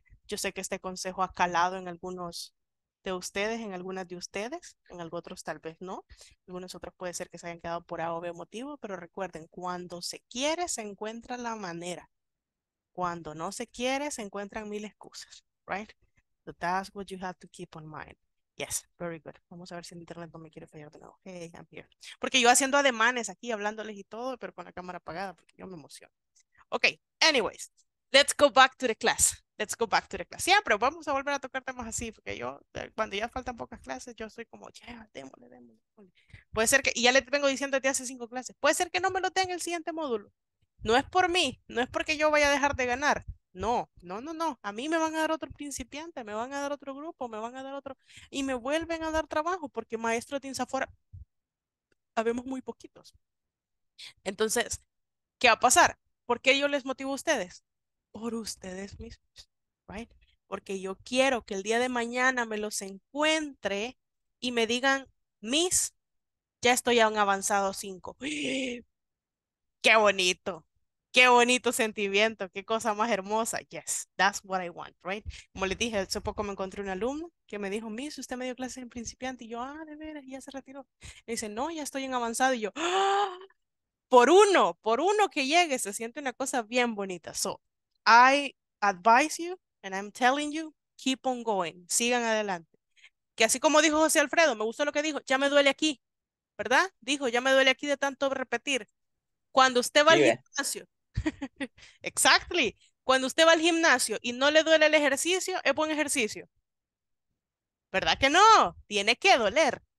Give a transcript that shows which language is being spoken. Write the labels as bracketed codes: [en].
[es] Yo sé que este consejo ha calado en algunos de ustedes, en algunas de ustedes, en algunos otros tal vez no. Algunos otros puede ser que se hayan quedado por A o B motivo, pero recuerden, cuando se quiere, se encuentra la manera. Cuando no se quiere, se encuentran 1000 excusas, right? [en] So that's what you have to keep in mind. Yes, very good. [es] Vamos a ver si el internet no me quiere fallar de nuevo. [en] Hey, I'm here. [es] Porque yo haciendo ademanes aquí, hablándoles y todo, pero con la cámara apagada, porque yo me emociono. [en] Okay, anyways, let's go back to the class. Let's go back to the class. [es] Siempre vamos a volver a tocar temas así, porque yo, cuando ya faltan pocas clases, yo soy como, ya, démosle. Puede ser que, y ya le vengo diciendo desde hace 5 clases, puede ser que no me lo den el siguiente módulo. No es por mí, no es porque yo vaya a dejar de ganar. No. A mí me van a dar otro principiante, me van a dar otro grupo, me van a dar otro, y me vuelven a dar trabajo, porque maestro de Insafora, habemos muy poquitos. Entonces, ¿qué va a pasar? ¿Por qué yo les motivo a ustedes? Por ustedes mismos, right? Porque yo quiero que el día de mañana me los encuentre y me digan, Miss, ya estoy a un avanzado 5. ¡Qué bonito! ¡Qué bonito sentimiento! ¡Qué cosa más hermosa! [en] Yes, that's what I want, right? [es] Como les dije, hace poco me encontré un alumno que me dijo, Miss, usted me dio clases en principiante. Y yo, ah, de veras, ya se retiró. Y dice, no, ya estoy en avanzado. Y yo, ¡ah! Por uno que llegue, se siente una cosa bien bonita. [en] So, I advise you, and I'm telling you, keep on going. [es] Sigan adelante. Que así como dijo José Alfredo, me gustó lo que dijo, ya me duele aquí, ¿verdad? Dijo, ya me duele aquí de tanto repetir. Cuando usted va al gimnasio, exactly, cuando usted va al gimnasio y no le duele el ejercicio, es buen ejercicio. ¿Verdad que no? Tiene que doler.